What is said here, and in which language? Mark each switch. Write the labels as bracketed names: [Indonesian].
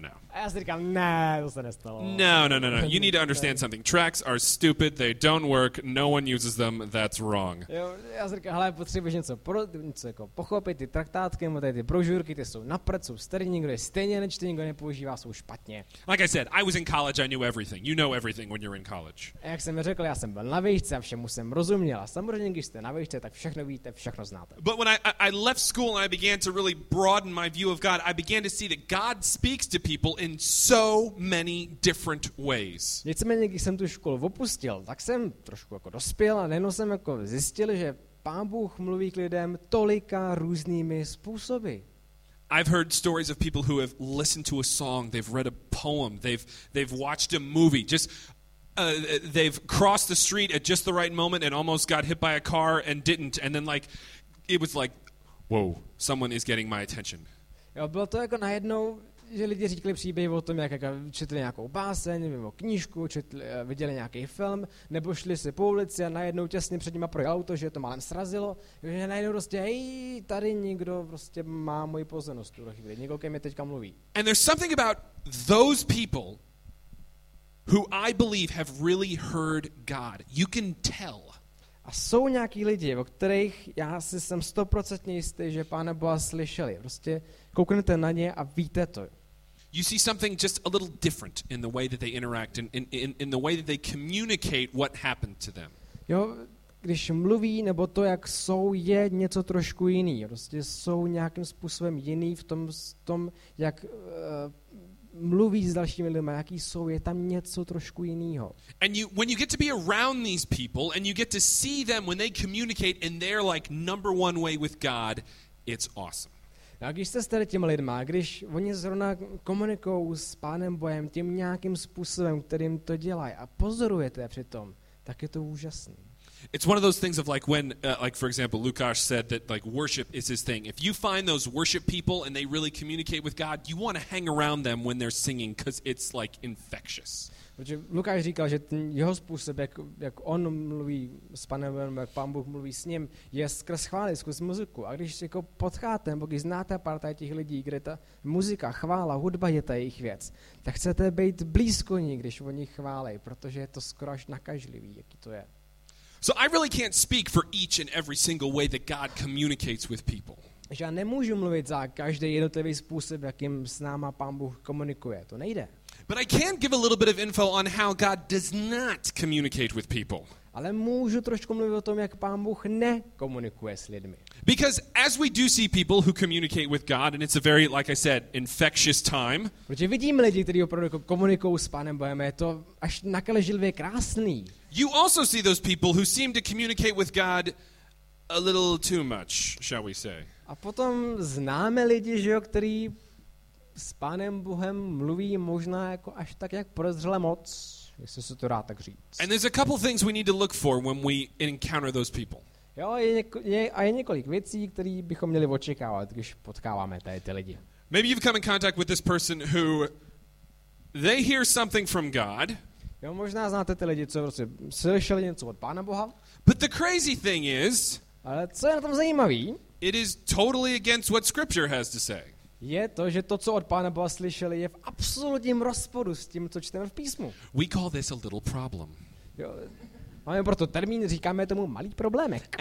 [Czech] A já si říkám, to se nestalo. [English] No. You need to understand something. Tracks are stupid, they don't work, no one uses them, that's wrong. [Czech] Jo, já si říkám, hele, potřebuješ něco jako pochopit, ty traktátky, nebo tady ty brožurky, ty jsou napřed, jsou starý, nikdo je stejně nečte, nikdo nepoužívá, jsou špatně. [English] Like I said, I was in college, I knew everything. You know everything when you're in college. [Czech] A jak jsem řekl, já jsem byl na výšce a všemu jsem rozuměl. A samozřejmě, když jste na výšce, tak všechno víte, všechno znáte. [English] But when I left school and I began to really broaden my view of God, I began to see that God speaks to people in so many different ways. [Czech] Nicméně, když jsem tu školu opustil, tak jsem trošku jako dospěl a nejenom jsem jako zjistil, že Pán Bůh mluví k lidem tolika různými způsoby. [English] I've heard stories of people who have listened to a song, they've read a poem, they've watched a movie, just they've crossed the street at just the right moment and almost got hit by a car and didn't, and then like it was like, whoa, someone is getting my attention. [Czech] Jo, bylo to jako najednou, že lidi říkali příběhy o tom, jak četli nějakou báseň, nebo knížku, viděli nějaký film, nebo šli si po ulici a najednou těsně před nima projel auto, že to málem srazilo, že najednou prostě, hej, tady někdo prostě má moji pozornost tuhle chvíli, někdo ke mně teďka mluví. [English] And there's something about those people who I believe have really heard God. You can tell. [Czech] A jsou nějaký lidi, o kterých já si jsem 100% jistý, že Pána Boha slyšeli. Prostě kouknete na ně a víte to. [English] You see something just a little different in the way that they interact and in the way that they communicate what happened to them. [Czech] Jo, když mluví nebo to, jak jsou, je něco trošku jiný. Prostě jsou nějakým způsobem jiný v tom jak mluví s dalšími lidmi, jaký jsou, je tam něco trošku jiného. [English] And you, when you get to be around these people and you get to see them when they communicate in their like number one way with God, it's awesome. [Czech] A když jste s těmi lidmi, když oni zrovna komunikují s Pánem Bohem tím nějakým způsobem, kterým to dělají a pozorujete přitom, tak je to úžasný. [English] It's one of those things of like when like for example Lukáš said that like worship is his thing. If you find those worship people and they really communicate with God, you want to hang around them when they're singing because it's like infectious. [Czech] Protože Lukáš říkal, že ten jeho způsob, jak on mluví s Panem, jak Pán Bůh mluví s ním, je skrz chvály, skrz muziku. A když jako potkáte, nebo když znáte pár těch lidí, kde ta muzika, chvála, hudba je ta jejich věc, tak chcete být blízko ní, když oni chválí, protože je to skoro až nakažlivý, jaký to je. [English] So I really can't speak for each and every single way that God communicates with people. [Czech] Já nemůžu mluvit za každý jednotlivý způsob, jakým s náma Pán Bůh komunikuje. To nejde. [English] But I can give a little bit of info on how God does not communicate with people. [Czech] Ale můžu trošku mluvit o tom, jak Pán Bůh nekomunikuje s lidmi. [English] Because as we do see people who communicate with God, and it's a very, like I said, infectious time. [Czech] Protože vidím lidi, kteří opravdu komunikují s Pánem Bohem, je to až nakažlivě krásný. [English] You also see those people who seem to communicate with God a little too much, shall we say. [Czech] A potom známe lidi, že jo, kteří s Pánem Bohem mluví možná jako až tak jak prozřele moc. Jestli se to dá tak říct. [English] And there's a couple things we need to look for when we encounter those people. [Czech] Jo, je několik věcí, které bychom měli očekávat, když potkáváme tady ty lidi. [English] Maybe you've come in contact with this person who they hear something from God. [Czech] Jo, možná znáte ty lidi, co prostě slyšeli něco od Pána Boha. [English] But the crazy thing is, [Czech] ale co je na tom zajímavý? [English] It is totally against what scripture has to say. [Czech] Je to, že to, co od Pána Boha slyšeli, je v absolutním rozporu s tím, co čteme v písmu. [English] We call this a little problem. [Czech] Jo, Máme proto termín, říkáme tomu malý problémek.